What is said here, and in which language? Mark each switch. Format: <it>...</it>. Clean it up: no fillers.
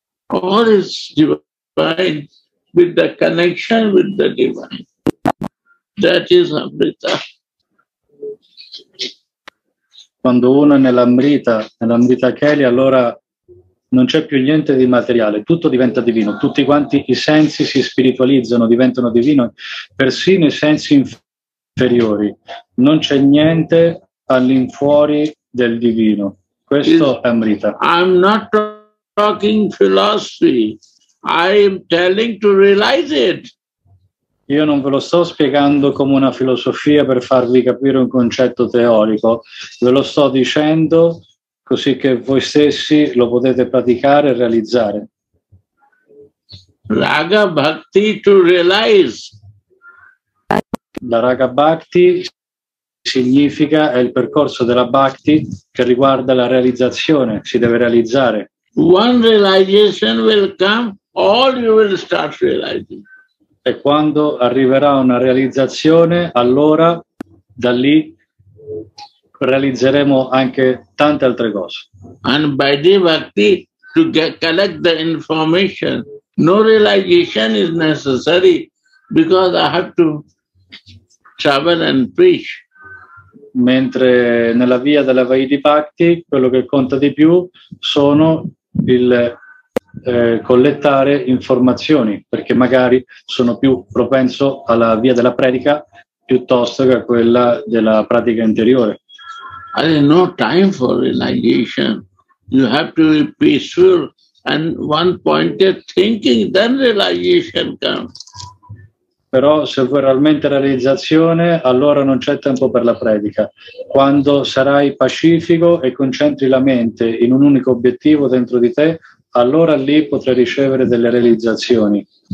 <en>All is divine with the connection with the divine. That is amrita.</en> <it>Quando uno è nell'amrita kelika, allora non c'è più niente di materiale, tutto diventa divino, tutti quanti i sensi si spiritualizzano, diventano divino, persino i sensi inferiori. Non c'è niente all'infuori del divino. Questo è amrita.</it> <en>I'm not talking philosophy, I am telling to realize it.</en> <it>Io non ve lo sto spiegando come una filosofia per farvi capire un concetto teorico, ve lo sto dicendo così che voi stessi lo potete praticare e realizzare.</it> <en>Raga bhakti to realize.</en> <it>La raga bhakti significa, è il percorso della bhakti che riguarda la realizzazione, si deve realizzare.</it> <en>One realization will come, all you will start realizing.</en> <it>E quando arriverà una realizzazione, allora da lì realizzeremo anche tante altre cose.</it> <en>And by the bhakti, to collect the information, no realization is necessary because I have to travel and preach.</en> <it>Mentre nella via della Vaidhi Bhakti, quello che conta di più sono il collettare informazioni, perché magari sono più propenso alla via della predica piuttosto che a quella della pratica interiore.</it> <en>There is no time for realization. You have to be peaceful and one-pointed thinking, then realization comes.</en> <it>Però se vuoi realmente realizzazione, allora non c'è tempo per la predica. Quando sarai pacifico e concentri la mente in un unico obiettivo dentro di te, allora lì potrai ricevere delle realizzazioni.</it>